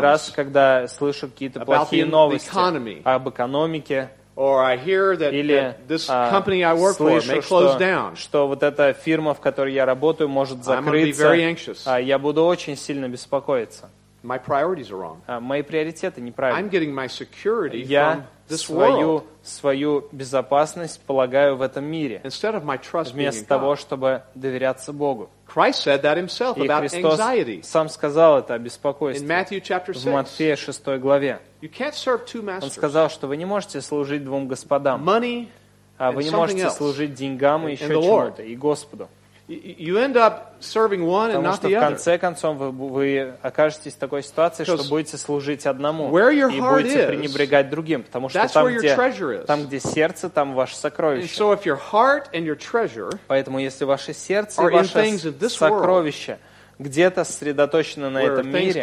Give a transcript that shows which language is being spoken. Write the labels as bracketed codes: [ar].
[ru] раз, когда слышу какие-то плохие новости [en] economy, [ru] об экономике. [en] Or I hear that, [ru] или, [en] that this company I work for may close down. [ru] Что вот эта фирма, в которой я работаю, может закрыться. Я буду очень сильно беспокоиться. [en] My priorities are wrong. [ru] Мои приоритеты неправильные. [en] I'm getting my security [ru] я [en] from this [ru] свою, [en] world. [ru] Свою безопасность полагаю в этом мире. [en] Instead of my trust [ru] вместо [en] being [ru] того, [en] in God. [ru] Чтобы доверяться Богу. [en] Christ said that himself [ru] и [en] about [ru] Христос [en] anxiety. [ru] Сам сказал это о беспокойстве. [en] In Matthew chapter 6. [ru] В Матфея 6 главе. [en] You can't serve two masters. [ru] Он сказал, что вы не можете служить двум господам. [en] Money, [ru] вы не можете служить деньгам и еще чему-то, и Господу. [en] You end up serving one and not the other. [ru] Потому что в конце концов вы окажетесь в такой ситуации, что будете служить одному [en] where your heart [ru] и будете пренебрегать другим, потому что [en] that's [ru] там, [en] where your [ru] где, [en] treasure is. [ru] Там, где сердце, там ваше сокровище. [en] And so if your heart and your treasure [ru] поэтому если ваше сердце и ваше сокровище [en] world, [ru] где-то сосредоточено на этом мире,